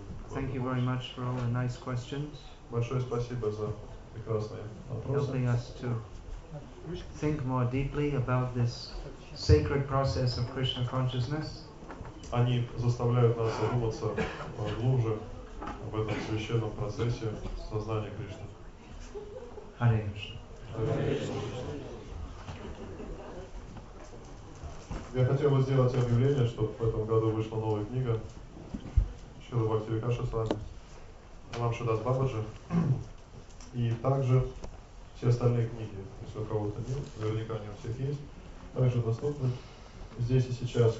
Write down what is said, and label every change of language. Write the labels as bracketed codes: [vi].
[en] Thank you very much for all the nice questions. [ru] Большое спасибо за прекрасные вопросы. [en] Helping us to think more deeply about this sacred process of Krishna consciousness. [ru] Они заставляют нас задуматься глубже об этом священном процессе сознания Кришны. [en] Hare Krishna. [ru] Я хотел бы сделать объявление, что в этом году вышла новая книга Шрила Бхакти Викаса Свами, Рамшидас Бабаджи, и также все остальные книги, если у кого-то нет, наверняка они у всех есть, также доступны здесь и сейчас.